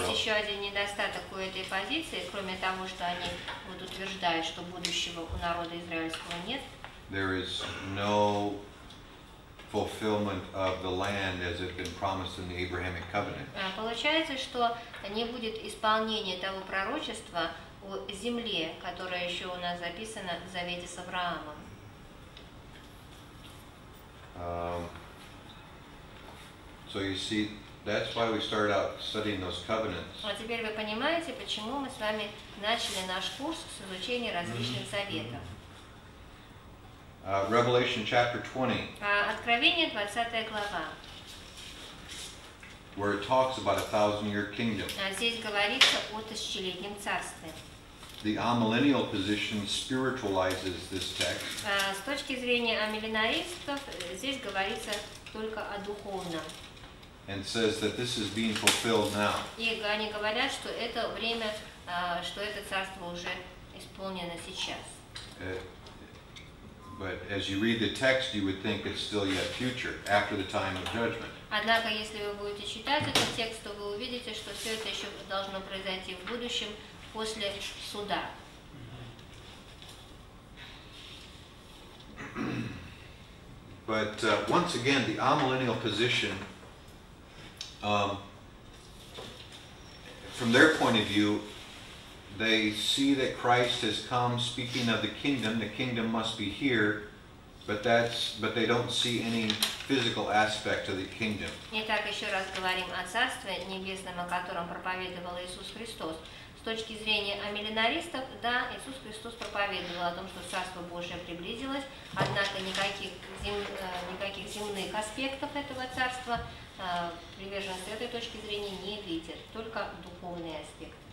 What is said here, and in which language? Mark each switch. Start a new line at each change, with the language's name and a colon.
Russian: Есть еще один недостаток у этой позиции, кроме того, что они вот утверждают, что будущего у народа израильского нет.
English: There is no fulfillment of the land as it had been promised in the Abrahamic covenant.
Russian: Получается, что не будет исполнения того пророчества о земле, которое еще у нас записано в завете с Авраамом.
English: So you see, that's why we started out studying those covenants.
Russian: А теперь вы понимаете, почему мы с вами начали наш курс с изучения различных заветов.
English: Revelation chapter 20.
Russian: Откровение 20 глава.
English: Where it talks about a thousand-year kingdom.
Russian: Здесь говорится о тысячелетнем царстве.
English: The amillennial position spiritualizes this text.
Russian: С точки зрения амиллинаристов здесь говорится только о духовном.
English: and says that this is being fulfilled now.
Russian: И они говорят, что это время, что это царство уже исполнено сейчас.
English: But as you read the text, you would think it's still yet future, after the time of judgment.
Russian: Однако, если вы будете читать этот текст, то вы увидите, что все это еще должно произойти в будущем, после суда.
English: But once again, the amillennial position, from their point of view, they see that Christ has come speaking of the kingdom must be here, but they don't see any physical aspect of the kingdom.
Russian: Итак, еще раз говорим о Царстве Небесном, о котором проповедовал Иисус Христос. С точки зрения амиллинаристов, да, Иисус Христос проповедовал о том, что Царство Божие приблизилось, однако никаких земных аспектов этого Царства приверженность этой точки зрения не видит, только духовный аспект.